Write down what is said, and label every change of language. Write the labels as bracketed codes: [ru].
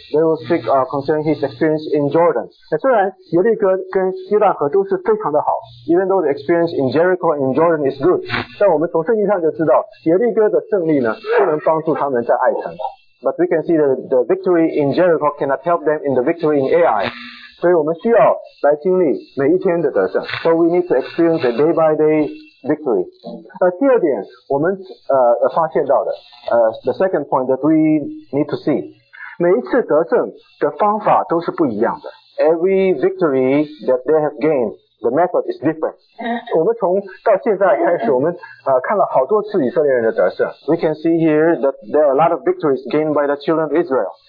[en] They will speak concerning his experience in Jordan. [zh] 虽然耶利哥跟约旦河都是非常的好。 [en] Even though the experience in Jericho and in Jordan is good. [zh] 但我们从圣经上就知道耶利哥的胜利呢不能帮助他们在爱城。 [en] But we can see that the victory in Jericho cannot help them in the victory in Ai. [zh] 所以我们需要来经历每一天的得胜。 [en] So we need to experience a day by day victory. [zh] 第二点我们发现到的 [en] the second point that we need to see. [zh] 每一次得胜的方法都是不一样的。 [en] Every victory that they have gained, the method is different. [zh] 我们从到现在开始，我们看了好多次以色列人的得胜。 [en] We can see here that there are a lot of victories gained by the children of Israel.